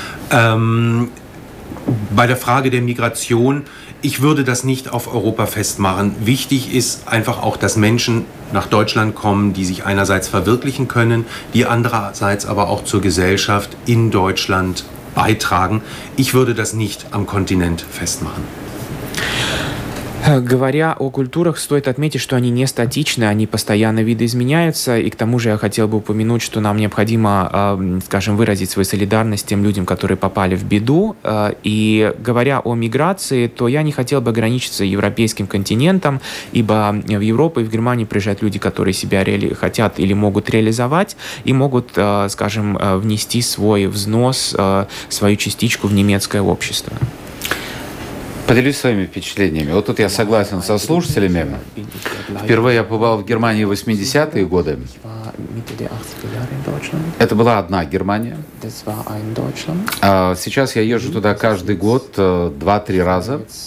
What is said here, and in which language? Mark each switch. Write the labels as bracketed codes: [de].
[de] Bei der Frage der Migration, ich würde das nicht auf Europa festmachen. Wichtig ist einfach auch, dass Menschen nach Deutschland kommen, die sich einerseits verwirklichen können, die andererseits aber auch zur Gesellschaft in Deutschland beitragen. Ich würde das nicht am Kontinent festmachen. [ru] Говоря о культурах, стоит отметить, что они не статичны, они постоянно видоизменяются, и к тому же я хотел бы упомянуть, что нам необходимо, скажем, выразить свою солидарность тем людям, которые попали в беду. И говоря о миграции, то я не хотел бы ограничиться европейским континентом, ибо в Европу и в Германию приезжают люди, которые себя хотят или могут реализовать, и могут, скажем, внести свой взнос, свою частичку в немецкое общество. Поделюсь своими впечатлениями. Вот тут я согласен со слушателями. Впервые я побывал в Германии в 80-е годы. [de] Mitte der 80er Jahre in Deutschland. [ru] Это была одна Германия. [de] Das war ein Deutschland. [ru] Сейчас я езжу туда каждый год 2-3 раза.